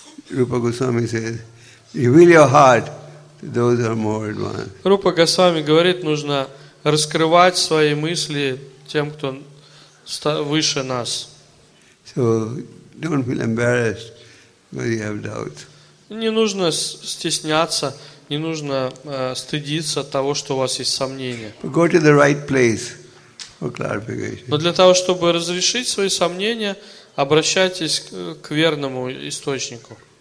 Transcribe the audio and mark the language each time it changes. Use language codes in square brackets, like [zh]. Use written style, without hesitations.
[en] Rupa Goswami says, "Reveal your heart to those who are more advanced." [ru] Rupa Goswami говорит, нужно раскрывать свои мысли тем, кто выше нас. [en] So don't feel embarrassed when you have doubts. [ru] Не нужно стесняться, не нужно стыдиться того, что у вас есть сомнения. [en] But go to the right place for clarification. [ru] Но для того, чтобы разрешить свои сомнения, обращайтесь к верному источнику.